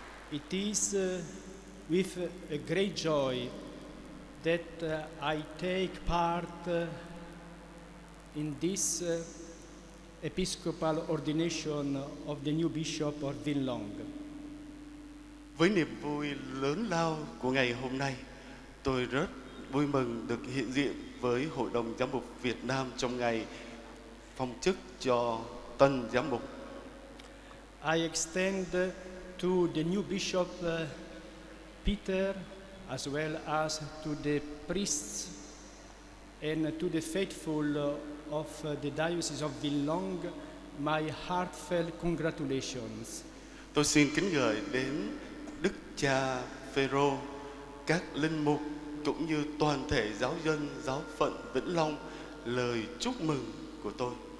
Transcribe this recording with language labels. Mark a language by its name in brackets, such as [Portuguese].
[English] It is with a great joy that I take part in this episcopal ordination of the new bishop of Vĩnh Long. [Vietnamese] Với niềm vui lớn lao của ngày hôm nay, tôi rất vui mừng được hiện diện với Hội đồng Giám mục Việt Nam trong ngày phong chức cho tân giám mục. [English] I extend to the new bishop Peter as well as to the priests and to the faithful of the Diocese of Vĩnh Long my heartfelt congratulations. [Vietnamese] Tôi xin kính gửi đến Đức Cha Phêrô, các linh mục cũng như toàn thể giáo dân giáo phận Vĩnh Long lời chúc mừng của tôi.